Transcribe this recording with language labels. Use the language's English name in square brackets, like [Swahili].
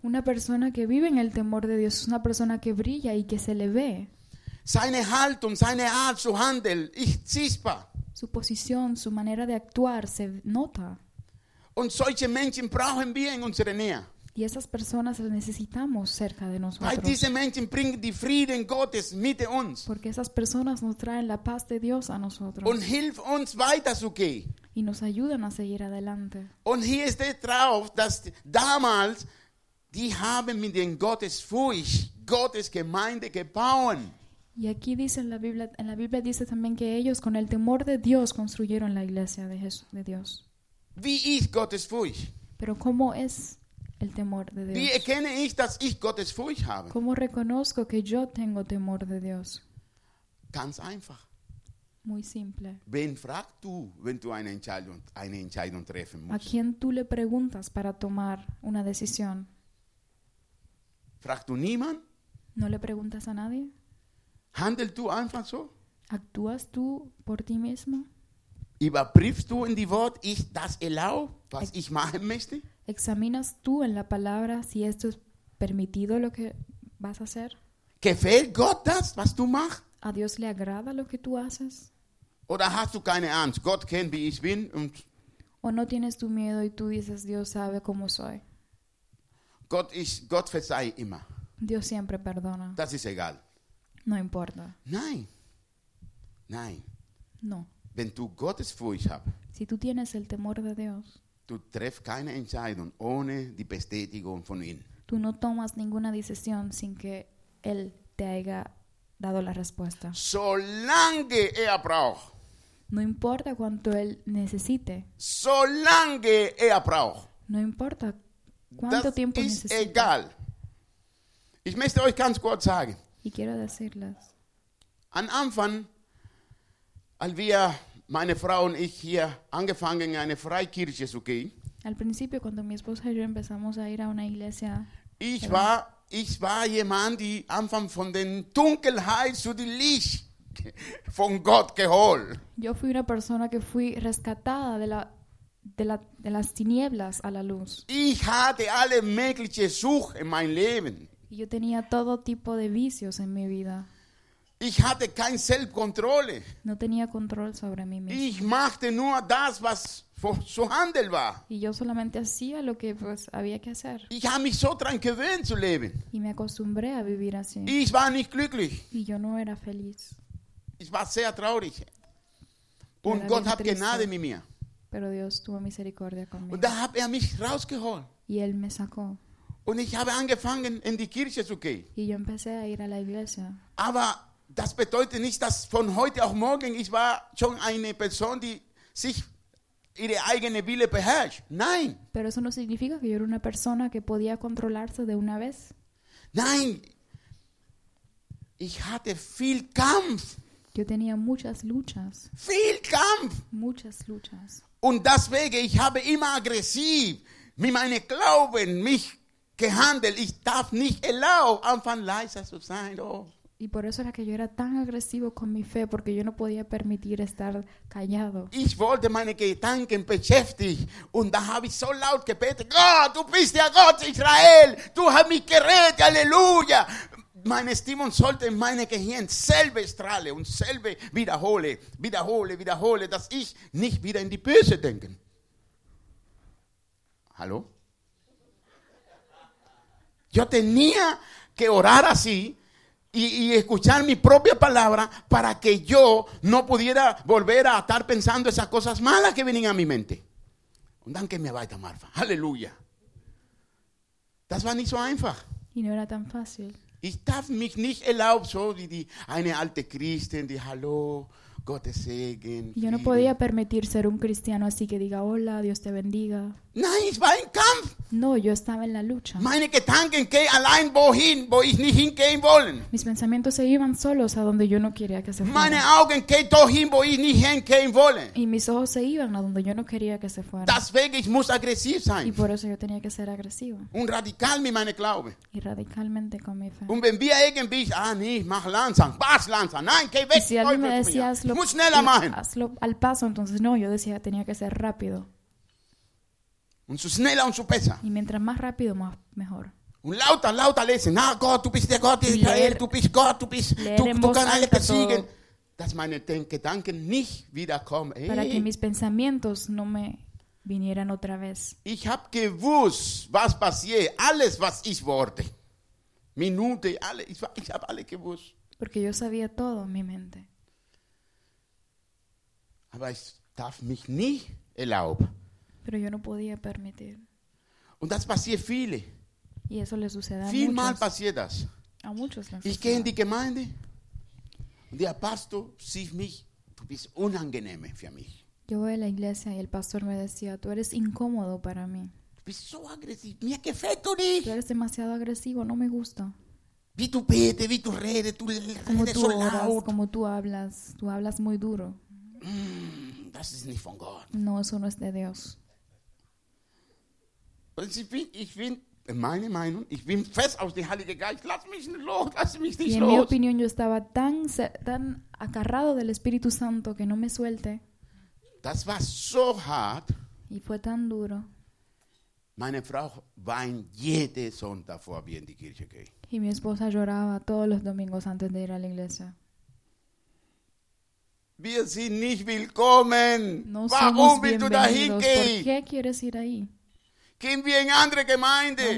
[Spanish] Una persona que vive en el temor de Dios es una persona que brilla y que se le ve. [German] Seine Haltung, seine Art zu handeln, ist sichtbar. [Spanish] Su posición, su manera de actuar se nota. [German] Und solche Menschen brauchen wir in unserer Nähe. [Spanish] Y esas personas las necesitamos cerca de nosotros. [German] Weil diese Menschen bringen die Frieden Gottes mit uns. [Spanish] Porque esas personas nos traen la paz de Dios a nosotros. [German] Und hilft uns weiterzugehen. [Spanish] Y nos ayudan a seguir adelante. [German] Und hier ist drauf, dass damals die haben mit den Gottesfurcht Gottes Gemeinde gebaut. [Spanish] Y aquí dice en la Biblia dice también que ellos con el temor de Dios construyeron la iglesia de Jesús de Dios. [German] Wie ist Gottesfurcht? [Spanish] Pero cómo es el temor de Dios. [German] Wie erkenne ich, dass ich Gottes Furcht habe? [Spanish] ¿Cómo reconozco que yo tengo temor de Dios? [German] Ganz einfach. [Spanish] Muy simple. [German] Wen fragst du, wenn du eine Entscheidung treffen musst? [Spanish] ¿A quién tú le preguntas para tomar una decisión? [German] ¿Fragst du niemand? [Spanish] ¿No le preguntas a nadie? [German] ¿Handelst du einfach so? [Spanish] ¿Actúas tú por ti mismo? [German] ¿Überprüfst du in die Wort, ich das erlaube, was ich machen möchte? [Spanish] ¿Examinas tú en la palabra si esto es permitido lo que vas a hacer? [German] ¿Gefällt Gott das, was du machst? [Spanish] ¿A Dios le agrada lo que tú haces? [German] Oder hast du keine Angst? Gott kennt, wie ich bin. Und [Spanish] o no tienes tu miedo y tú dices, Dios sabe cómo soy. [German] Gott verzeiht immer. [Spanish] Dios siempre perdona. [German] Das ist egal. [Spanish] No importa. [German] Nein. Nein. [Spanish] No. [German] Wenn du Gottesfurcht hast, [Spanish] si tú tienes el temor de Dios, [German] du triffst keine Entscheidung ohne die Bestätigung von ihm. [Spanish] Tú no tomas ninguna decisión sin que él te haya dado la respuesta. [German] Solange er braucht. [Spanish] No importa cuánto él necesite. [German] Solange er braucht. [Spanish] No importa cuánto [German] das [Spanish] tiempo [German] ist [Spanish] necesite. [German] Egal. Ich möchte euch ganz kurz sagen. [Spanish] Y quiero decirles. [German] Am Anfang, als wir, meine Frau und ich, hier angefangen, eine Freikirche zu gehen. [Spanish] Al principio, cuando mi esposa y yo empezamos a ir a una iglesia. [German] Ich war jemand, die Anfang von den Dunkelheit zu dem Licht. Von Gott geholt. [Spanish] Yo fui una persona que fui rescatada de las tinieblas a la luz. [German] Ich hatte alle mögliche Sucht in mein Leben. [Spanish] Y yo tenía todo tipo de vicios en mi vida. [German] Ich hatte kein Selbstkontroll. [Spanish] No tenía control sobre mí mismo. [German] Ich machte nur das, was zu handeln war. [Spanish] Y yo solamente hacía lo que pues había que hacer. [German] Ich habe mich so dran gewöhnt zu leben. [Spanish] Y me acostumbré a vivir así. [German] Ich war nicht glücklich. [Spanish] Y yo no era feliz. [German] Ich war sehr traurig. Und Gott hat Gnade mit mir. [Spanish] Pero Dios tuvo misericordia conmigo. [German] Und da hat mich rausgeholt. [Spanish] Y él me sacó. [German] Und ich habe angefangen, in die Kirche zu gehen. [Spanish] Y yo empecé a ir a la iglesia. [German] Aber das bedeutet nicht, dass von heute auf morgen ich war schon eine Person, die sich ihre eigene Wille beherrscht. Nein. [Spanish] Pero eso no significa que yo era una persona que podía controlarse de una vez. [German] Nein. Ich hatte viel Kampf. [Spanish] Yo tenía muchas luchas. [German] Viel Kampf. [Spanish] Muchas luchas. [German] Und deswegen, ich habe immer aggressiv mit meinem Glauben mich gehandelt. Ich darf nicht erlauben, anfangen leiser zu sein. Oh. [Spanish] Y por eso era que yo era tan agresivo con mi fe, porque yo no podía permitir estar callado. [German] Ich wollte meine Gedanken beschäftigen und da habe ich so laut gebetet. Gott, du bist der Gott Israel. Du hast mich gerettet. Halleluja. Meine Stimmung sollte in meinem Gehirn selbe strahlen und selbe wiederhole, dass ich nicht wieder in die Böse denke. Hallo? [Spanish] Yo tenía que orar así y escuchar mi propia palabra para que yo no pudiera volver a estar pensando esas cosas malas que venían a mi mente. [German] Und danke mir weiter, Marfa. Halleluja. Das war nicht so einfach. [Spanish] Y no era tan fácil. [German] Ich darf mich nicht erlauben, so wie die eine alte Christin, die hallo, Gottes Segen. [Spanish] Yo no podía permitir ser un cristiano así que diga hola, Dios te bendiga. [German] Nein, ich war im Kampf. [Spanish] No, yo estaba en la lucha. [German] Meine Gedanken gehen allein wohin, wo ich nicht hingehen wollen. [Spanish] Mis pensamientos se iban solos a donde yo no quería que se fueran. [German] Meine Augen gehen dorthin, wo ich nicht hingehen wollen. [Spanish] Y mis ojos se iban a donde yo no quería que se fueran. [German] Deswegen ich muss aggressiv sein. [Spanish] Y por eso yo tenía que ser agresivo. [German] Un radical mit meinem Glauben. [Spanish] Y radicalmente con mi fe. [German] Und wenn wir irgendwie, nicht, mach langsam, pass langsam, nein, geh weg. [Spanish] Y si alguien me decía, hazlo al paso, entonces no, yo decía, tenía que ser rápido. [German] Und so schneller und so besser. [Spanish] Y mientras más rápido, más mejor. [German] Und lauter lesen. Na, Gott, du bist der Gott, Israel, du bist Gott, du bist, du kannst alles besiegen. Dass meine Gedanken nicht wiederkommen. Hey. [Spanish] Para que mis pensamientos no me vinieran otra vez. [German] Ich hab gewusst, was passiert, alles, was ich wurde. Minute, alle, ich hab alles gewusst. [Spanish] Porque yo sabía todo en mi mente. [German] Aber ich darf mich nicht erlauben. [Spanish] Pero yo no podía permitir. [German] Und das passiert viele. [Spanish] Y eso le sucede a [German] viel [Spanish] muchos. [German] Mal passiert das. [Spanish] A muchos les [German] ich gehe in die Gemeinde und der Pastor sieht mich, du bist unangenehm für mich. [Spanish] Yo voy a la iglesia y el pastor me decía, tú eres incómodo para mí. [German] Du bist so agresiv, mir gefällt du nicht. [Spanish] Tú eres demasiado agresivo, no me gusta. Vi tu pete, vi tus redes, tú eres [English] so loud. [Spanish] Como tú hablas muy duro. [German] Das ist nicht von Gott. [Spanish] No, eso no es de Dios. [German] Ich bin, in meiner Meinung, ich bin fest aus dem Heiligen Geist. Lass mich nicht los, lass mich nicht [Spanish] y en [German] los. [Spanish] Mi opinión, yo estaba tan acarrado del Espíritu Santo que no me suelte. [German] Das war so hart. [Spanish] Y fue tan duro. [German] Meine Frau weint jeden Sonntag, vor wir in die Kirche gehen. [Spanish] Y mi esposa lloraba todos los domingos antes de ir a la iglesia. [German] Wir sind nicht willkommen. [Spanish] No [German] Warum willst du dahin gehen? [Spanish] ¿Por qué quieres ir ahí? [German] Gehen wir in andere Gemeinde.